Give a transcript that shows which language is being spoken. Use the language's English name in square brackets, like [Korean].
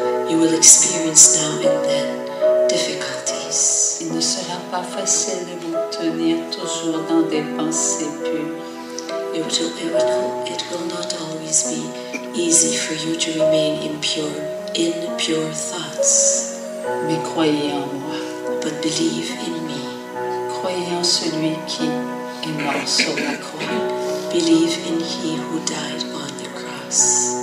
[English] You will experience now and then difficulties. [French] Il ne sera pas facile de vous tenir toujours dans des pensées pures. [English] It will not always be easy for you to remain in pure thoughts. [French] Mais croyez en moi. [English] But believe in me. [French] Croyez en celui qui est mort sur la croix. [English] Believe in he who died on the cross.